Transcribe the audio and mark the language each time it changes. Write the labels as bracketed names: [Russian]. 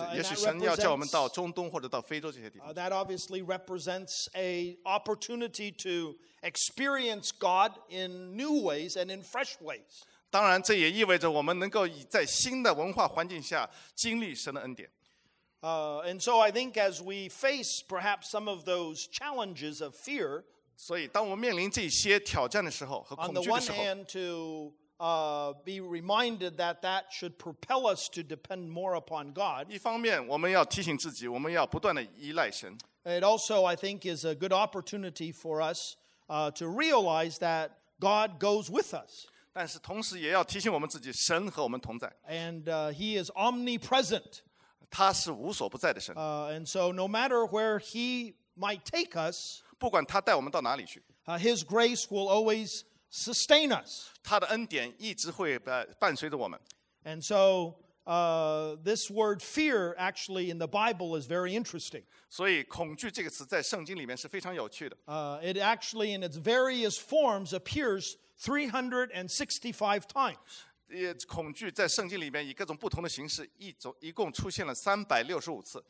[English] That obviously represents an opportunity to experience God in new ways and in fresh ways. [Chinese] 当然，这也意味着我们能够在新的文化环境下经历神的恩典。 [English] And so I think as we face perhaps some of those challenges of fear, [Chinese] 所以当我们面临这些挑战的时候和恐惧的时候 [English] ，on the one hand to be reminded that that should propel us to depend more upon God， [Chinese] 一方面我们要提醒自己，我们要不断的依赖神。 [English] It also I think is a good opportunity for us to realize that God goes with us. [Chinese] 但是同时也要提醒我们自己，神和我们同在。 [English] And he is omnipresent. [Chinese] 他是无所不在的神。 [English] And so no matter where he might take us, [Chinese] 不管他带我们到哪里去， [English] his grace will always sustain us. [Chinese] 他的恩典一直会伴随着我们。 [English] And so this word fear actually in the Bible is very interesting. [Chinese] 所以恐惧这个词在圣经里面是非常有趣的。 [English] It actually in its various forms appears 365 times. [Chinese] 恐惧在圣经里面以各种不同的形式一共出现了365次。